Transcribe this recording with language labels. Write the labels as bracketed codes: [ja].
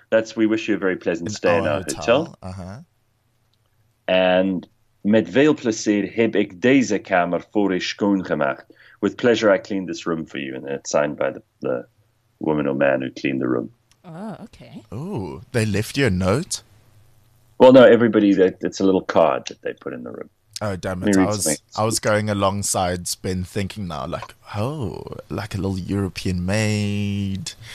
[en] That's we wish you a very pleasant stay in our hotel. [nl] And met veel plezier heb ik deze kamer voor u schoongemaakt. [en] With pleasure, I cleaned this room for you. And it's signed by the woman or man who cleaned the room. Oh, okay. Ooh, they left you a note? Well, no, everybody, it's a little card that they put in the room. Oh, damn it. I was going alongside Ben thinking now, like, oh, like a little European maid.